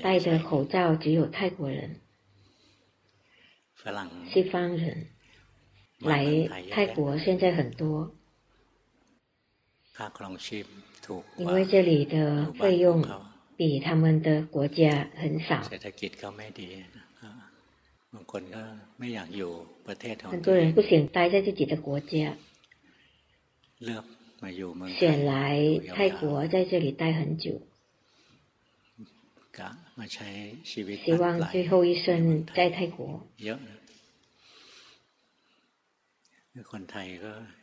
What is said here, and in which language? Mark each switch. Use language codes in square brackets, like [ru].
[zh] 戴着口罩只有泰国人 [th] ฝรั่ง [zh] 西方人来泰国现在很多 [th] ค่าครองชีพถูกกว่า [zh] 因为这里的费用比他们的国家很少 [th] เศรษฐกิจเขาไม่ดีบางคนก็ไม่อยากอยู่ประเทศของ [zh] 很多人不想待在自己的国家 [th] เลือกมาอยู่เมือง [zh] ไทย选来泰国在这里待很久 [th] กะมาใช้ชีวิต [zh] 希望最后一生在泰国 [th] เยอะคนไทยก็